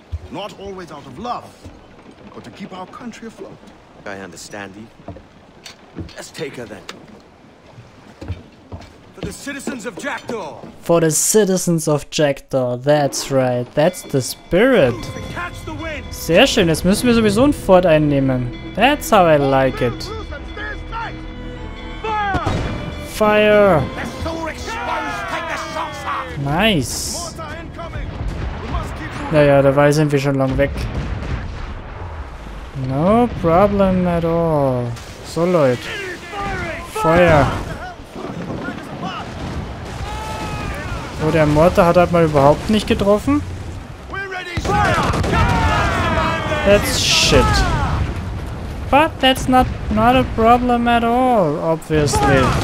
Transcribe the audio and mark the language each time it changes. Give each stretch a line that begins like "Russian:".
English: Not always out of love, but to keep our country afloat. I understand you. Let's take her then. For the citizens of Jackdaw! For the citizens of Jackdaw, that's right. That's the spirit. Catch the wind.
German: Sehr schön, jetzt müssen wir sowieso ein Fort einnehmen.
English: That's how I like it. Fire!
German: Nice! Naja, dabei sind wir schon lang weg.
English: No problem at all. So,
German: Leute. Feuer! Oh, der Mortar hat halt mal überhaupt nicht getroffen.
English: That's shit. But that's not a problem at all, obviously.